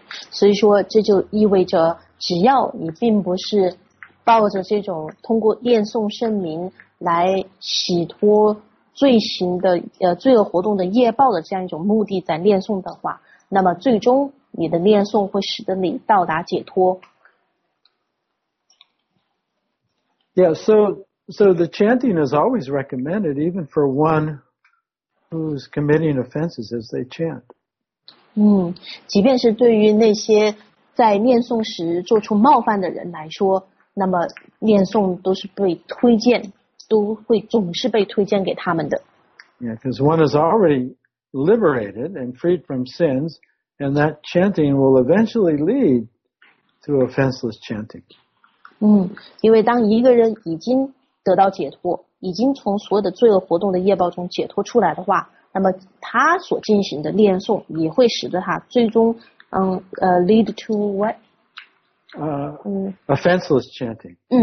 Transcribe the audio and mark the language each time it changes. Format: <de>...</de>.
<zh>所以说这就意味着只要你并不是抱着这种通过念诵圣名来洗脱罪行的罪恶活动的业报的这样一种目的在念诵的话，那么最终你的念诵会使得你到达解脱。</zh> <en>Yeah, so the chanting is always recommended, even for one who's committing offenses as they chant.</en> <zh>即便是对于那些在念诵时做出冒犯的人来说，那么念诵都是被推荐，都会总是被推荐给他们的。</zh> <en>Yeah, because one is already liberated and freed from sins, and that chanting will eventually lead to offenseless chanting.</en> <zh>因为当一个人已经得到解脱，已经从所有的罪恶活动的业报中解脱出来的话，那么他所进行的念诵也会使得他最终</zh> <en>lead to what? Offenseless chanting.</en>